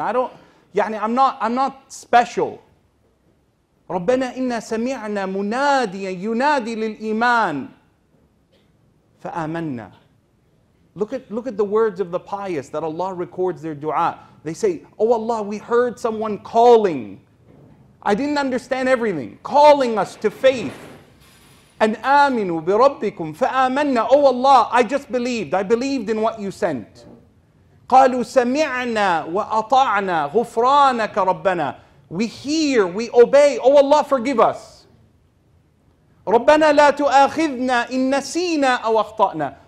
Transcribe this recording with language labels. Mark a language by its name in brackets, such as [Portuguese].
[English] I'm not special. [Arabic] رَبَّنَا إِنَّا سَمِعْنَا مُنَادِيًا يُنَادِي لِلْإِيمَانِ فَآمَنَّا. [English] Look at the words of the pious that Allah records their dua. They say, oh Allah, we heard someone calling. I didn't understand everything. Calling us to faith. [Arabic] And آمِنُوا بِرَبِّكُمْ فَآمَنَّا. [English] Oh Allah, I just believed. I believed in what you sent. [Arabic] قَالُوا سَمِعْنَا وَأَطَعْنَا غُفْرَانَكَ رَبَّنَا. [English] We hear, we obey. Oh Allah, forgive us. [Arabic] رَبَّنَا لَا تُؤَاخِذْنَا إِن نَسِيْنَا أَوْ أَخْطَأْنَا.